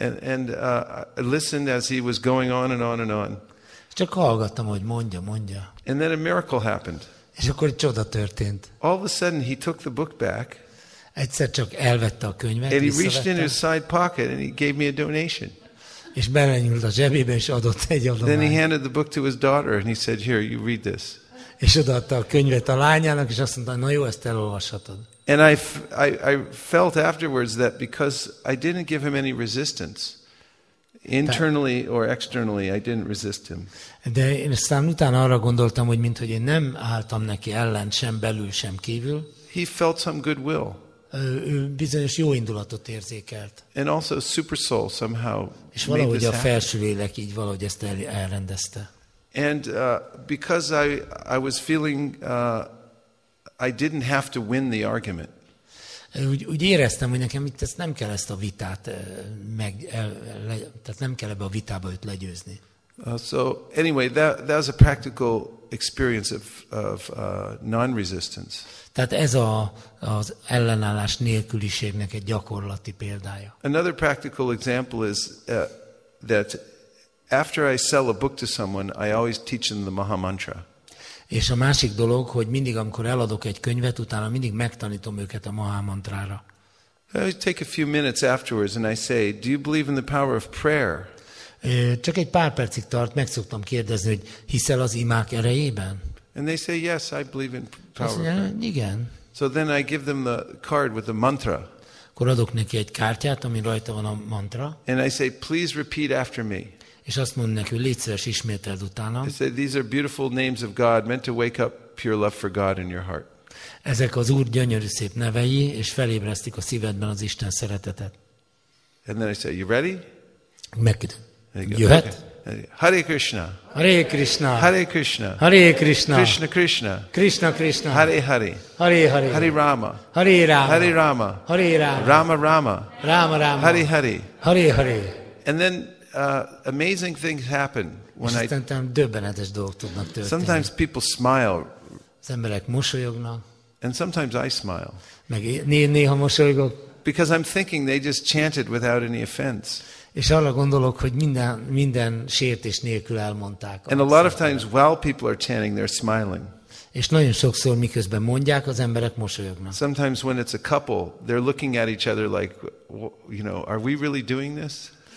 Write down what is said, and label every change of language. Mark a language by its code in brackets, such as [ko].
[en] And I listened as he was going on and on and on. [hu] Csak hallgattam, hogy mondja. [en] And then a miracle happened. [hu] És akkor egy csoda történt. [en] All of a sudden he took the book back. [hu] Egyszer csak elvette a könyvet, [en] and he reached in his side pocket and he gave me a donation. [hu] És belenyúlt a zsebébe, és adott egy adományt. [en] Then he handed the book to his daughter and he said, here, you read this. [hu] És odaadta a könyvet a lányának, és azt mondta, na jó, ezt elolvashatod. [en] And I felt afterwards that because I didn't give him any resistance, internally or externally, I didn't resist him. [hu] De én aztán utána arra gondoltam, hogy minthogy én nem álltam neki ellen, sem belül, sem kívül. [en] He felt some goodwill. [hu] Ő bizonyos jó indulatot érzékelt. [en] And also super soul somehow. [hu] És valahogy a felső lélek így valahogy ezt elrendezte. [en] And because I was feeling I didn't have to win the argument. [hu] Úgy éreztem, hogy nekem itt nem kell ezt a vitát meg, tehát nem kell ebbe a vitába őt legyőzni. [en] So anyway, that was a practical experience of non-resistance. [hu] Tehát ez az ellenállás nélküliségnek egy gyakorlati példája. [en] Another practical example is that after I sell a book to someone, I always teach them the Maha Mantra. [hu] És a másik dolog, hogy mindig, amikor eladok egy könyvet, utána mindig megtanítom őket a Maha Mantrára. [en] I take a few minutes afterwards and I say, do you believe in the power of prayer? [hu] Csak egy pár percig tart, meg szoktam kérdezni, hogy hiszel az imák erejében? [en] And they say, yes, I believe in power. [hu] Azt mondja, igen. [en] So then I give them the card with the mantra. [hu] Akkor adok neki egy kártyát, ami rajta van a mantra. [en] And I say, please repeat after me. [hu] És azt mondom neki, légy szíves, ismételd utána. [en] I say, these are beautiful names of God, meant to wake up pure love for God in your heart. [hu] Ezek az Úr gyönyörű szép nevei, és felébresztik a szívedben az Isten szeretetet. [en] And then I say, you ready? [hu] Megkérdezem. Jöhet? [sa] Hare Krishna. Hare Krishna. Hare Krishna. Hare Krishna. Krishna Krishna. Krishna Krishna. Hare Hare. Hare Hare. Hare Rama. Hare Rama. Hare Rama. Hare Rama. Rama Rama. Rama Rama. Hare Hare. Hare Hare. [en] And then amazing things happen when I. [hu] Döbbenetes dolgok tudnak történni. [en] Sometimes people smile. [hu] Az emberek mosolyognak. [en] And sometimes I smile. [hu] Meg néha mosolygok. [en] Because I'm thinking they just chanted without any offense. [hu] És arra gondolok, hogy minden sértés nélkül elmondták. [en] And a lot of times while people are chanting, they're smiling. [hu] És nagyon sokszor miközben mondják, az emberek mosolyognak. [en] Sometimes when it's a couple, they're looking at each other like, you know, are we really doing this?